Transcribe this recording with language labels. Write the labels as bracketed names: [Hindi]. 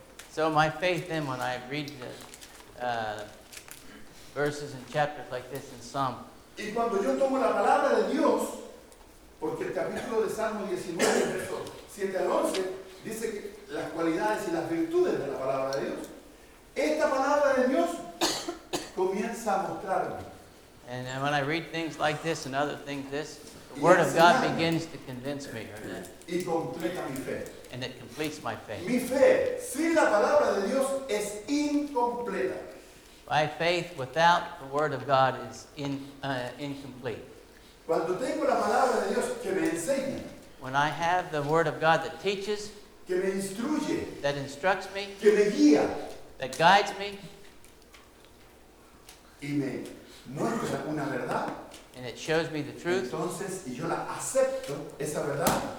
[English] So my faith then when I read the verses and chapters like this in Psalm. [Spanish] Y cuando yo tomo la palabra de Dios, porque el capítulo de Salmo 19, verso 7 al 11, dice que las cualidades y las virtudes de la palabra de Dios, esta palabra de Dios comienza a mostrarme. [English] And when I read things like this and other things, this, the Word of God begins to convince me. [Spanish] Y completa mi fe. [English] And it completes my faith. [Spanish] Mi fe sin la palabra de Dios es incompleta. [English] My faith without the Word of God is incomplete. [Spanish] Cuando tengo la palabra de Dios que me enseña, [English] when I have the Word of God that teaches, [Spanish] que me instruye, [English] that instructs me, [Spanish] que me guía, [English] that guides me, [Spanish] y me muestra una verdad, [English] and it shows me the truth, [Spanish] entonces, y yo la acepto, esa verdad,